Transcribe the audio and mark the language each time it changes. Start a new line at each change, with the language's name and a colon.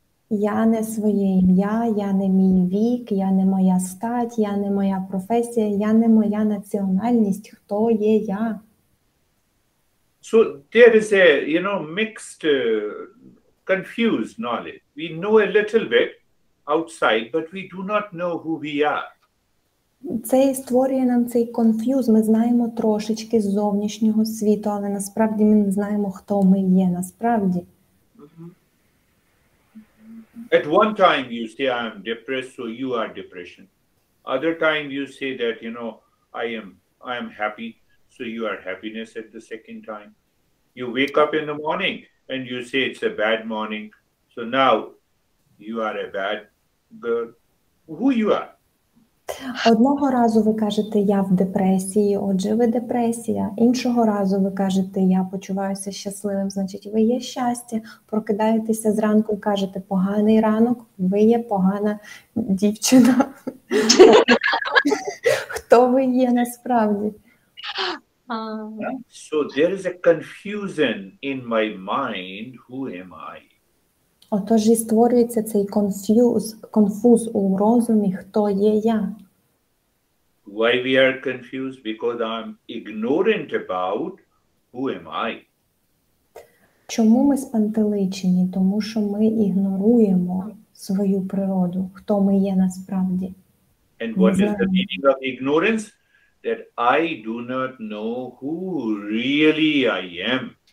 Ukrainian: Я не своє ім'я, я не мій вік, я не моя стать, я не моя професія, я не моя національність. Хто є я?
English: So there is a, you know, mixed, confused knowledge. We know a little bit outside, but we do not know who we are.
Ukrainian: Це і створює нам цей конф'юз. Ми знаємо трошечки з зовнішнього світу, але насправді ми не знаємо, хто ми є насправді.
English: At one time you say I am depressed, so you are depression. Other time you say that, you know, I am happy, so you are happiness at the second time. You wake up in the morning and you say it's a bad morning, so now you are a bad girl. Who you are?
Ukrainian: Одного разу ви кажете, я в депресії, отже, ви депресія. Іншого разу ви кажете, я почуваюся щасливим, значить, ви є щастя. Прокидаєтеся зранку і кажете, поганий ранок, ви є погана дівчина. Хто ви є насправді?
English: So there is a confusion in my mind, who am I?
Ukrainian: Отож, і створюється цей конфуз у розумі, хто є я.
English: Why we are confused? Because I'm ignorant about who am I.
Ukrainian: Чому ми спантеличені? Тому що ми ігноруємо свою природу, хто ми є насправді.
English: And what is the meaning of ignorance? That I do not know who really I am.